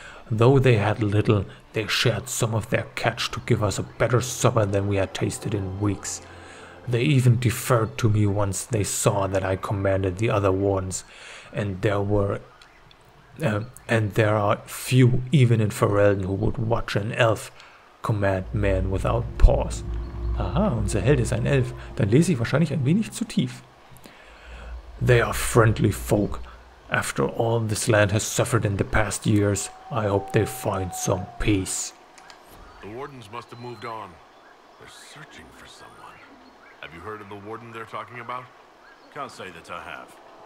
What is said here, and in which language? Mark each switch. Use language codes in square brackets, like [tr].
[en] Though they had little, they shared some of their catch to give us a better supper than we had tasted in weeks. They even deferred to me once they saw that I commanded the other wardens, and there are few, even in Ferelden, who would watch an elf command men without pause. [de] Aha, unser Held ist ein Elf. Dann lese ich wahrscheinlich ein wenig zu tief. [en] They are friendly folk. After all this land has suffered in the past years, I hope they find some peace. The wardens must have moved on. They're searching for someone. Have you heard of the warden they're talking about? Can't say that I have.